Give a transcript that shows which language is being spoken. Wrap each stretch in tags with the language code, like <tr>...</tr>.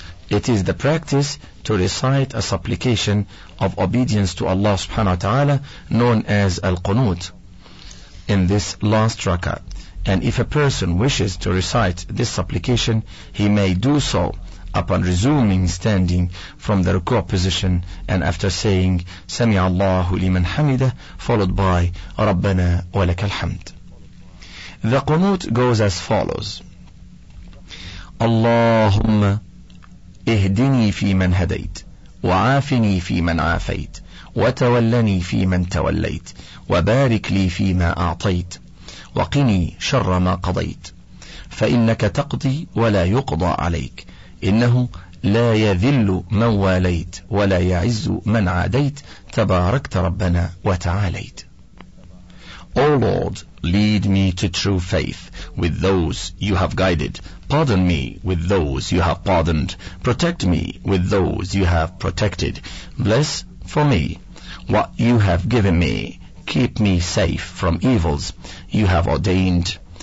<en>It is the practice to recite a supplication of obedience to Allah subhanahu wa ta'ala, known as Al-Qunut, in this last rak'ah. And if a person wishes to recite this supplication, he may do so upon resuming standing from the ruku' position and after saying</en> <ar>سَمِعَ اللَّهُ لِمَنْ حَمِدَهُ,</ar> <en>followed by</en> <ar>رَبَّنَا وَلَكَ الْحَمْدِ.</ar> <en>The qunut goes as follows:</en> <ar>اللهم اهدني في من هديت وعافني في من عافيت وتولني في من توليت وبارك لي فيما أعطيت وقني شر ما قضيت فإنك تقضي ولا يقضى عليك إنه لا يذل من واليت ولا يعز من عاديت تباركت ربنا وتعاليت.</ar> <en>O Lord, lead me to true faith with those you have guided. Pardon me with those you have pardoned. Protect me with those you have protected. Bless for me what you have given me. Keep me safe from evils you have ordained.</en>